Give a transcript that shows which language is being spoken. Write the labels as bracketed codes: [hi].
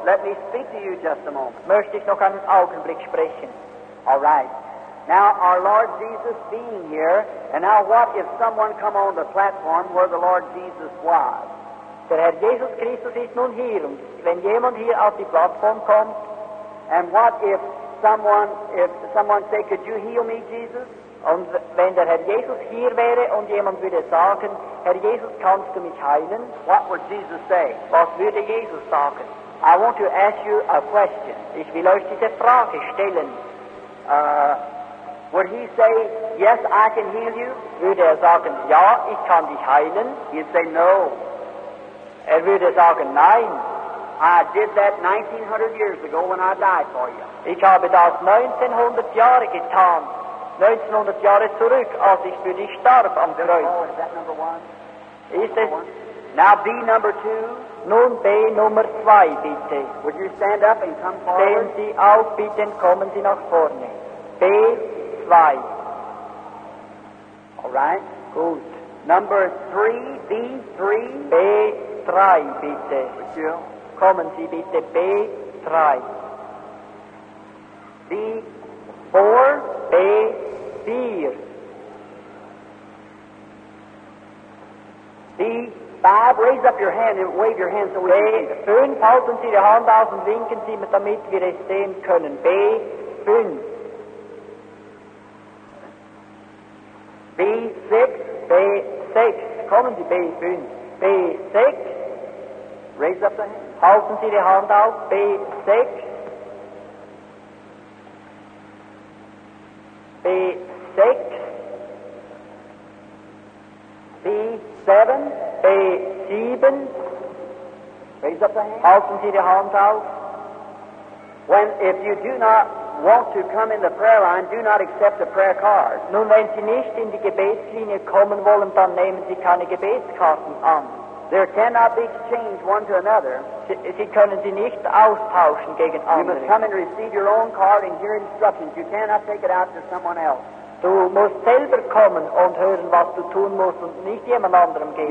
[en] let me speak to you just a moment. [de] Möchte ich noch einen Augenblick sprechen. [en] All right. Now, our Lord Jesus being here, and now what if someone come on the platform where the Lord Jesus was? [de] Der Herr Jesus Christus ist nun hier, und wenn jemand hier auf die Plattform kommt, [en] and what if someone say, could you heal me, Jesus? [de] Und wenn der Herr Jesus hier wäre und jemand würde sagen, Herr Jesus, kannst du mich heilen? [en] What would Jesus say? [de] Was würde Jesus sagen? [en] I want to ask you a question. [de] Ich will euch diese Frage stellen. [en] Would he say, yes, I can heal you? [de] Würde er sagen, ja, ich kann dich heilen? [en] He'd say, no. [de] Er würde sagen, nein. [en] I did that 1900 years ago when I died for you. [de] Ich habe das 1900 Jahre getan. 1900 Jahre zurück, als ich für dich starb am Kreuz. [en] Oh, is that number one? [de] Ist es? [en] Now B number two. [de] Nun B Nummer zwei, bitte. [en] Would you stand up and come forward? [de] Stehen Sie auf, bitte, und kommen Sie nach vorne. B zwei. [en] All right. [de] Gut. [en] Number three, B3. [de] B drei, bitte. [en] Would you? [de] Kommen Sie bitte, B drei. [en] B four. [de] B. Vier. [en] B. Five. Raise up your hand and wave your hand so we can see. [de] B. Fünf. Halten Sie die Hand aus und winken Sie, damit wir es sehen können. B. Fünf. [en] B. Six. [de] B. Sechs. Kommen Sie, B. Fünf. B. Sechs. [en] Raise up the hand. [de] Halten Sie die Hand aus. B. Sechs. [en] B6, B7, B7, raise up the hand. [de] Halten Sie die Hand auf. [en] When, if you do not want to come in the prayer line, do not accept a prayer card. [de] Nun, wenn Sie nicht in die Gebetslinie kommen wollen, dann nehmen Sie keine Gebetskarten an. [en] There cannot be exchanged one to another. [de] Sie können sie nicht austauschen gegen andere. [en] You must come and receive your own card and hear instructions. You cannot take it out to someone else. [de] Du musst selber kommen und hören, was du tun musst und nicht jemand anderem geben.